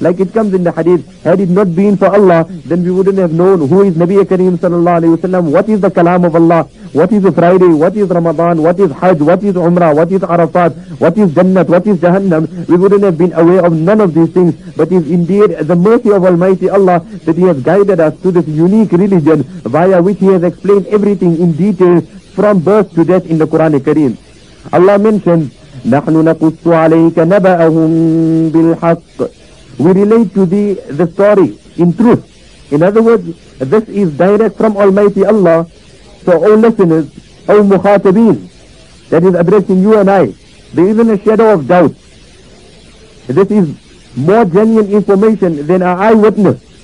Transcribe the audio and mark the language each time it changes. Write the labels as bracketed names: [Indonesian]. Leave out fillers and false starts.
[English] Like it comes in the hadith, had it not been for Allah, then we wouldn't have known who is Nabi Kareem sallallahu alayhi wa sallam, what is the kalam of Allah, what is Friday, what is Ramadan, what is Hajj, what is Umrah, what is Arafat, what is Jannat, what is Jahannam. We wouldn't have been aware of none of these things. But it's indeed the mercy of Almighty Allah that He has guided us to this unique religion via which He has explained everything in detail from birth to death in the Quran Kareem. Allah mentioned, [Arabic] نَحْنُ نَقُصُّ عَلَيْكَ نَبَأَهُمْ بِالْحَقِّ. [English] We relate to thee the story in truth. In other words, this is direct from Almighty Allah. So O listeners, O Mukhatabeen, that is addressing you and I, there isn't a shadow of doubt. This is more genuine information than an eyewitness.